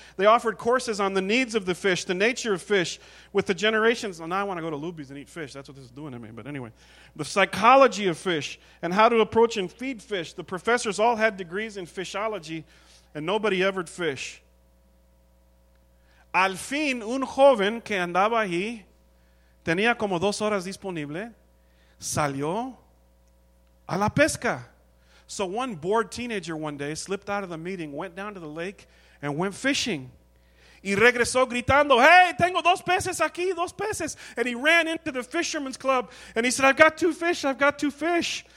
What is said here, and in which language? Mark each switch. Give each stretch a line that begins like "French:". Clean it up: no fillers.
English: They offered courses on the needs of the fish, the nature of fish, with the generations. Well, now I want to go to Luby's and eat fish. That's what this is doing to me. But anyway, the psychology of fish and how to approach and feed fish. The professors all had degrees in fishology, and nobody ever fish.
Spanish: Al fin, un joven que andaba allí, tenía como 2 horas disponible, salió a la pesca.
English: So one bored teenager one day slipped out of the meeting, went down to the lake, and went fishing.
Spanish: Y regresó gritando, hey, tengo 2 peces aquí, 2 peces.
English: And he ran into the fisherman's club, and he said, I've got 2 fish, I've got 2 fish.